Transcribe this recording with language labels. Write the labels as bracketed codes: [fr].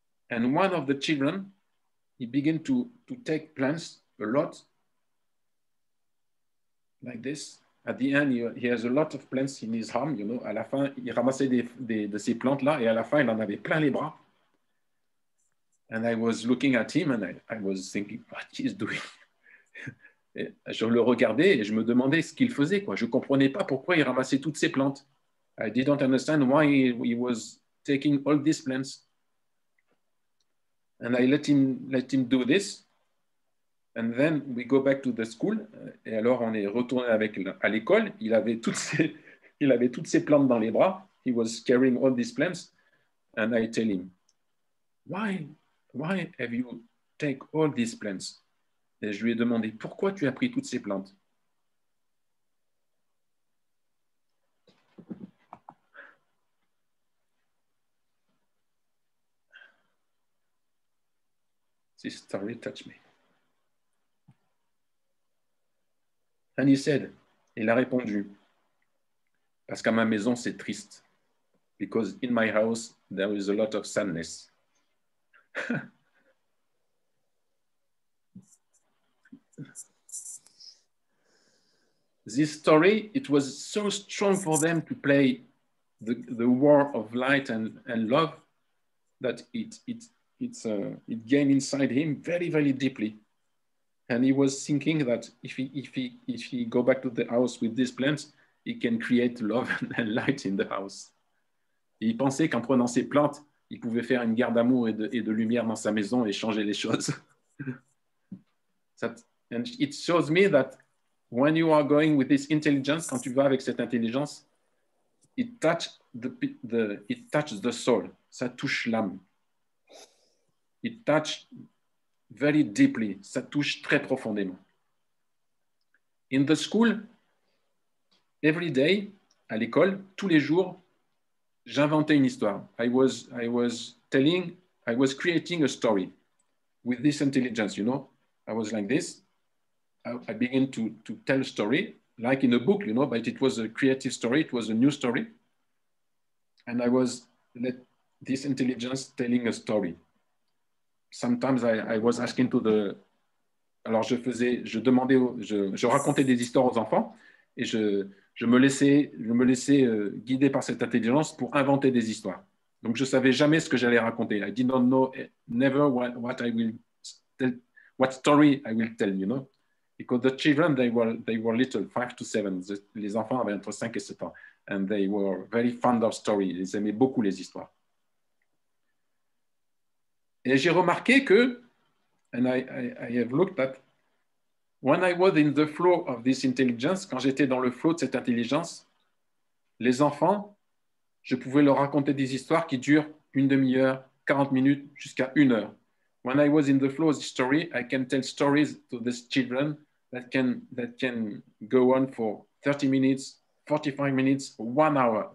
[en] And one of the children, he began to take plants a lot, like this. At the end, he has a lot of plants in his arm, you know. [fr] À la fin, il ramassait de ces plantes-là, et à la fin, il en avait plein les bras. [en] And I was looking at him, and I was thinking, what he's doing? [fr] Je le regardais, et je me demandais ce qu'il faisait, quoi. Je ne comprenais pas pourquoi il ramassait toutes ces plantes. [en] I didn't understand why he was taking all these plants. And I let him do this. And then we go back to the school. [fr] Et alors on est retourné à l'école. Il avait toutes ses plantes dans les bras. [en] He was carrying all these plants. And I tell him, why have you take all these plants? [fr] Et je lui ai demandé, pourquoi tu as pris toutes ces plantes? [en] This story touched me. And he said, [fr] il a répondu, parce qu'à ma maison, c'est triste. [en] Because in my house, there is a lot of sadness. This story, it was so strong for them to play the war of light and love that it gained inside him very, very deeply. And he was thinking that if he go back to the house with these plants, he can create love and light in the house. [fr] Et il pensait qu'en prenant ces plantes, il pouvait faire une guerre d'amour et de lumière dans sa maison et changer les choses. [en] And it shows me that when you are going with this intelligence, [fr] quand tu vas avec cette intelligence, [en] it touches the soul. [fr] Ça touche l'âme. [en] It touched very deeply. [fr] Ça touche très profondément. [en] In the school, every day, [fr] à l'école, tous les jours, j'inventais une histoire. [en] I was creating a story with this intelligence, you know. I was like this. I began to tell a story, like in a book, you know, but it was a creative story. It was a new story. And I was let this intelligence telling a story. Sometimes I was asking to the... [fr] Alors je racontais des histoires aux enfants et je me laissais guider par cette intelligence pour inventer des histoires. Donc je savais jamais ce que j'allais raconter. [en] I did not know never what story I will tell, you know. Because the children, they were little, 5 to 7. [fr] Les enfants avaient entre 5 et 7 ans. [en] And they were very fond of stories. [fr] Ils aimaient beaucoup les histoires. Et j'ai remarqué que, [en] and I have looked at, when I was in the flow of this intelligence, [fr] quand j'étais dans le flow de cette intelligence, Les enfants, je pouvais leur raconter des histoires qui durent une demi-heure, 40 minutes, jusqu'à une heure. [en] When I was in the flow of the story, I can tell stories to these children that can go on for 30 minutes, 45 minutes, 1 hour.